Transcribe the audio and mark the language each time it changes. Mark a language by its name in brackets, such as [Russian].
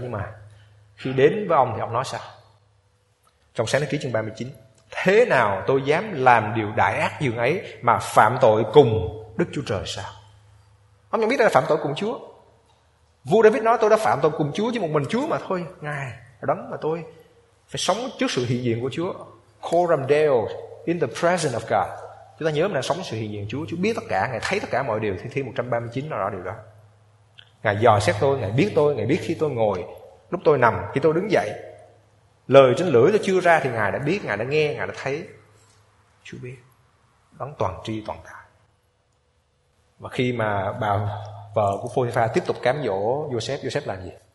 [Vietnamese] Nhưng mà khi đến với ông thì ông nói sao? Trong Sáng Thế Ký chương 39: thế nào tôi dám làm điều đại ác dường ấy mà phạm tội cùng Đức Chúa Trời sao? Ông nhận biết đây là phạm tội cùng Chúa. Vua David nói tôi đã phạm tội cùng Chúa, chứ một mình Chúa mà thôi. Ngài là đấng mà tôi phải sống trước sự hiện diện của Chúa. [Latin] Coram Deo [English] in the presence of God. [Vietnamese] Chúng ta nhớ mình đang sống sự hiện diện của Chúa. Chúa biết tất cả, Ngài thấy tất cả mọi điều. Thi 139 nói rõ điều đó. Ngài dò xét tôi, Ngài biết tôi, Ngài biết khi tôi ngồi, lúc tôi nằm, khi tôi đứng dậy. Lời trên lưỡi tôi chưa ra thì Ngài đã biết, Ngài đã nghe, Ngài đã thấy. Chúa biết. Đấng toàn tri toàn tài. Và khi mà bà vợ của Phô-ti-pha tiếp tục cám dỗ Joseph, Joseph làm gì?